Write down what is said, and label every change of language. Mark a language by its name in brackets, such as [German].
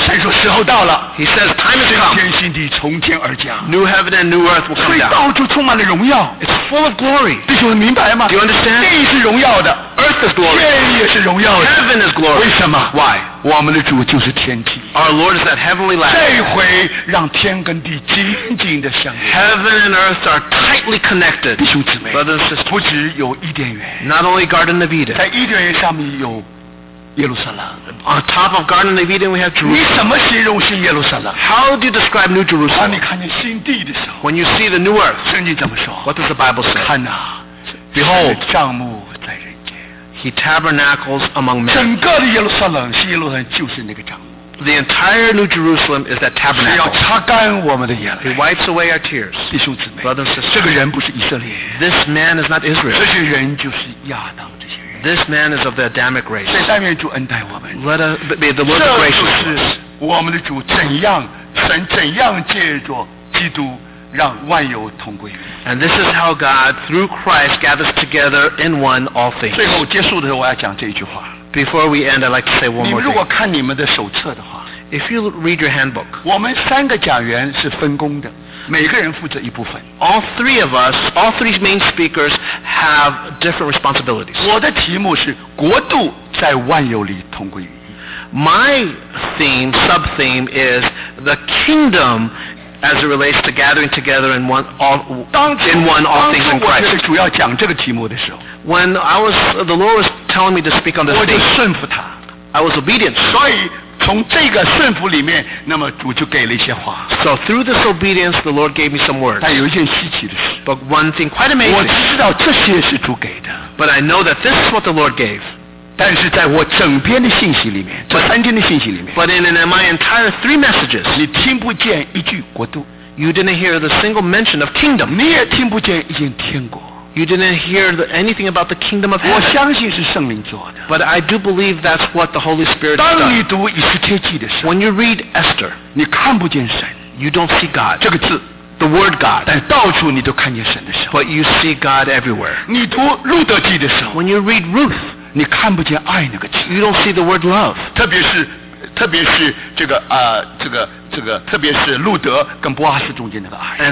[Chinese] 神说时候到了。 [English] He says time is come. [Chinese] 新天新地从天而降。 [English] New heaven and new earth will come down. [Chinese] 所以到处充满了荣耀。 [English] It's full of glory. [Chinese] 弟兄们明白吗？ [English] Do you understand? [Chinese] 地是荣耀的。 [English] earth is glory. [Chinese] 天也是荣耀的。 [English] Heaven is glory. [Chinese] 为什么？ [English] Why? [Chinese] 我们的主就是天梯。 [English] Our Lord is that heavenly ladder. [Chinese] 这一回让天跟地紧紧的相连。 [English] Heaven and earth are tightly connected. [Chinese] 弟兄姊妹。 [English] Brothers and sisters. [Chinese] 不只有伊甸园。 [English] Not only Garden of Eden. [Chinese] 在伊甸园上面有耶路撒冷。 [English] On top of Garden of Eden, we have Jerusalem. [Chinese] 你怎么形容新耶路撒冷？ [English] How do you describe New Jerusalem? [Chinese] 当你看见新地的时候。 [English] When you see the new earth. [Chinese] 圣经怎么说？ [English] What does the Bible say? [Chinese] 看啊。 [English] Behold, [Chinese] 帐幕在人间。 [English] He tabernacles among men. [Chinese] 整个的耶路撒冷，新耶路撒冷就是那个帐幕。 [English] The entire New Jerusalem is that tabernacle. [Chinese] 要擦干我们的眼泪。 [English] He wipes away our tears. [Chinese] 弟兄姊妹， [English] brothers and sisters, [Chinese] 这个人不是以色列。 [English] This man is not Israel. [Chinese] 这些人就是亚当这些人。 [English] This man is of the Adamic race. [Chinese] 在上面主恩待我们。 [English] Let us be the Lord gracious. [Chinese] 这就是我们的主怎样，神怎样借着基督。让万有同归于。 [English] And this is how God, through Christ, gathers together in one all things. [Chinese] 最后结束的时候，我要讲这句话。 [English] Before we end, I'd like to say one more thing. [Chinese] 你们如果看你们的手册的话 [English] ，If you read your handbook, [Chinese] 我们三个讲员是分工的，每个人负责一部分。 [English] All three of us, all three main speakers, have different responsibilities. [Chinese] 我的题目是国度在万有里同归于。 My theme, sub theme, is the kingdom. [English] As it relates to gathering together in one, all, [Chinese] 当初, [English] in one, all things in Christ. [Chinese] 当初我主要讲这个题目的时候, [English] when I was, the Lord was telling me to speak on this thing, [Chinese] 我就顺服他, [English] I was obedient. [Chinese] 所以从这个顺服里面, 那么主就给了一些话。 [English] So through this obedience, the Lord gave me some words. [Chinese] 但有一件稀奇的事, [English] but one thing quite amazing. [Chinese] 我知道这些是主给的, [English] but I know that this is what the Lord gave. [Chinese] 但是在我整篇的信息里面，这三天的信息里面 [English] ，But in my entire three messages， [Chinese] 你听不见一句国度 [English] ，You didn't hear the single mention of kingdom， [Chinese] 你也听不见一件天国 [English] ，You didn't hear anything about the kingdom of heaven。 [Chinese] 我相信是圣灵做的 [English] ，But I do believe that's what the Holy Spirit does。 [Chinese] 当你读以斯帖记的时候 [English] ，When you read Esther， [Chinese] 你看不见神 [English] ，You don't see God。 [Chinese] 这个字。 [English] The word God. [Chinese] 但到处你都看见神的时候 [English] But you see God everywhere. [Chinese] 你读路德记的时候 [English] When you read Ruth. [Chinese] 你看不见爱那个字 [English] You don't see the word love. [Chinese] 特别是这个这个特别是路德跟波阿斯中间那个爱